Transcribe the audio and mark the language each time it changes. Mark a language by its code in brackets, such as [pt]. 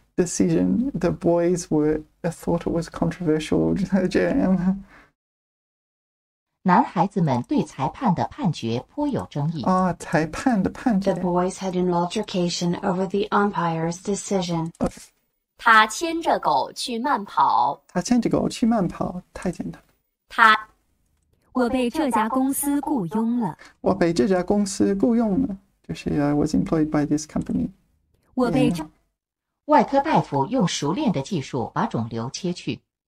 [en] Decision, the boys were thought it was controversial. [zh] 这样，男孩子们对裁判的判决颇有争议。裁判的判决。 [en] The boys had an altercation over the umpire's decision. [zh] 他牵着狗去慢跑。他牵着狗去慢跑，太简单了。他，我被这家公司雇佣了。我被这家公司雇佣了，就是 [en] I was employed by this company. [zh] 我被这。外科大夫用熟练的技术把肿瘤切去。